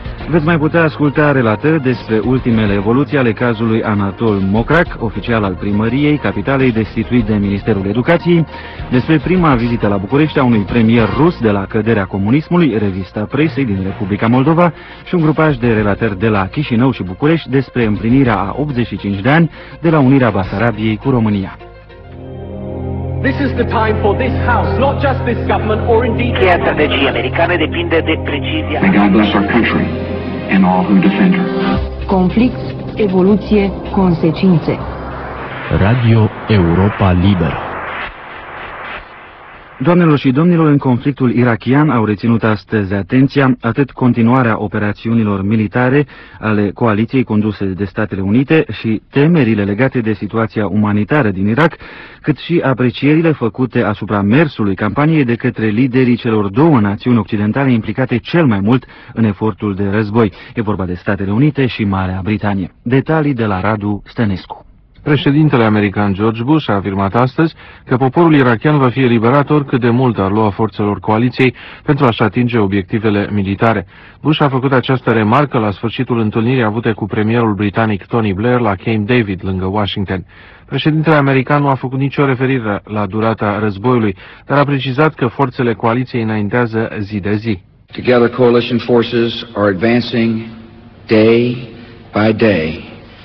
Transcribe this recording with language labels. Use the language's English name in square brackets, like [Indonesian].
[Romanian] Veți mai putea asculta relatări despre ultimele evoluții ale cazului Anatol Mocrac, oficial al primăriei capitalei destituit de Ministerul Educației, despre prima vizită la București a unui premier rus de la căderea comunismului, revista presei din Republica Moldova și un grupaj de relatări de la Chișinău și București despre împlinirea a 85 de ani de la unirea Basarabiei cu România. [English] This is the time for this house, not just this government, or indeed... [Italian] Che strategia americana depinde de precisia. [English] May God bless our country and all who defend her. [Romanian] Conflict, evoluție, consecințe. Radio Europa Liberă. Doamnelor și domnilor, în conflictul irachian au reținut astăzi atenția atât continuarea operațiunilor militare ale coaliției conduse de Statele Unite și temerile legate de situația umanitară din Irak, cât și aprecierile făcute asupra mersului campaniei de către liderii celor două națiuni occidentale implicate cel mai mult în efortul de război. E vorba de Statele Unite și Marea Britanie. Detalii de la Radu Stănescu. Președintele american George Bush a afirmat astăzi că poporul irachian va fi eliberat oricât de mult ar lua forțelor coaliției pentru a-și atinge obiectivele militare. Bush a făcut această remarcă la sfârșitul întâlnirii avute cu premierul britanic Tony Blair la Camp David, lângă Washington. Președintele american nu a făcut nicio referire la durata războiului, dar a precizat că forțele coaliției înaintează zi de zi. [English] Together coalition forces are advancing day by day.